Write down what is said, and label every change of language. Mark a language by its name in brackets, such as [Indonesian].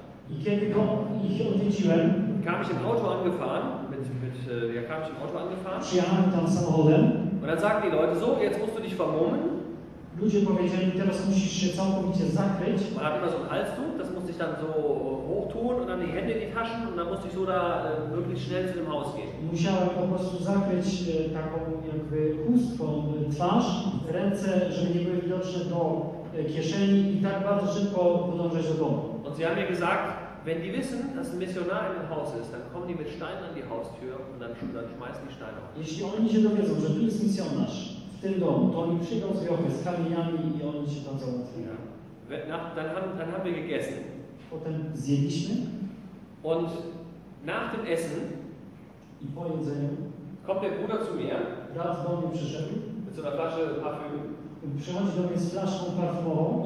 [Polish] i kiedy go ich odwiedziłem, [German] kam ich im Auto angefahren, kam ich im Auto angefahren. [Polish] Przyjechałem tam samochodem. [German] Und dann sagten die Leute so, jetzt musst du dich vermummen. [Polish] Ludzie powiedzieli, teraz musisz się całkowicie zakryć. [German] Man hat immer so ein Halstuch, das musste ich dann so hochtun und dann die Hände in die Taschen und dann musste ich so da möglichst schnell zu dem Haus gehen. [Polish] Musiałem po prostu zakryć taką jakby chustką twarz, ręce, żeby nie były widoczne do kieszeni i tak bardzo szybko podążać do domu. [German] Und sie haben mir gesagt, wenn die wissen, dass ein Missionar im Haus ist, dann kommen die mit Steinen an die Haustür und dann schmeißen die Steine auf. [Polish] Jeśli oni się dowiedzą, że tu jest misjonarz w tym domu, to oni przyjdą z wiochy, z kamieniami i oni się tam załatwią. [German] Ja. Dann haben wir gegessen. [Polish] Potem zjedliśmy. [German] Und nach dem Essen [Polish] i po jedzeniu [German] kommt der Bruder zu mir. [Polish] Raz do mnie przyszedł. [German] Mit so einer Flasche Parfüm. [Polish] Przychodzi do mnie z flaszką parfumową.